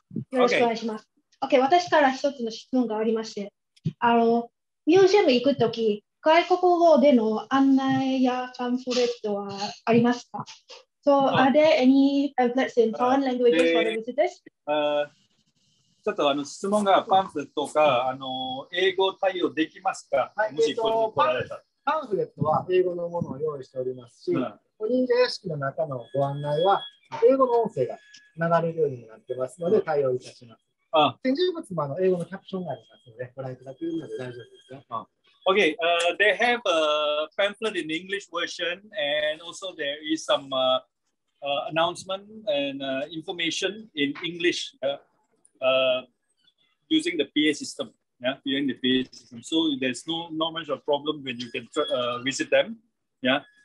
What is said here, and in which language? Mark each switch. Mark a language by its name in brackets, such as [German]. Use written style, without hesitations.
[Japanese] よろしくお願いします。Okay, 私から一つの質問がありまして、あの、ミュージアム行くとき、外国語での案内やパンフレットはありますか? [English] So, are there any pamphlets in foreign languages for the visitors? [Japanese] ちょっとあの質問がパンフレットかあの英語対応できますか? はい、もし来られた。パンフレットは英語のものを用意しておりますし、お忍者屋敷の中のご案内は英語の音声が流れるようになってますので対応いたします。展示物もあの英語のキャプションがありますのでご覧いただけるので大丈夫ですか? [English] Okay, they have a pamphlet in English version, and also there is some announcement and information in English. using the PA system. Yeah, using the PA system. So there's not much of a problem when you can visit them. Yeah.